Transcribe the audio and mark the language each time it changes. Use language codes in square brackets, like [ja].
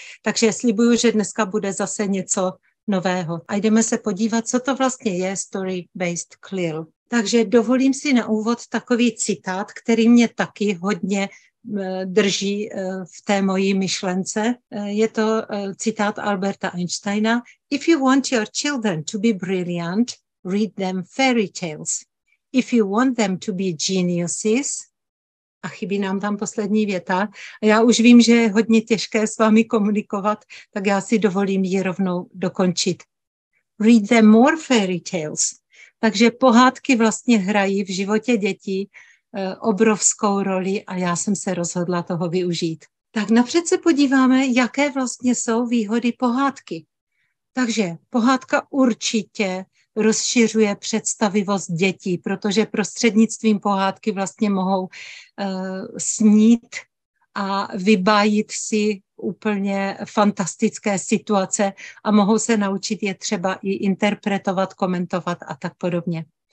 [cs] Takže slibuju, že dneska bude zase něco nového. A jdeme se podívat, co to vlastně je Story-based CLIL. Takže dovolím si na úvod takový citát, který mě taky hodně drží v té mojí myšlence. Je to citát Alberta Einsteina. [en] If you want your children to be brilliant, read them fairy tales. If you want them to be geniuses, [cs] A chybí nám tam poslední věta. Já už vím, že je hodně těžké s vámi komunikovat, tak já si dovolím ji rovnou dokončit. [en] Read them more fairy tales. [cs] Takže pohádky vlastně hrají v životě dětí obrovskou roli a já jsem se rozhodla toho využít. Tak napřed se podíváme, jaké vlastně jsou výhody pohádky. Takže pohádka určitě rozšiřuje představivost dětí, protože prostřednictvím pohádky vlastně mohou snít a vybájit si úplně fantastické situace a mohou se naučit je třeba i interpretovat, komentovat a tak podobně.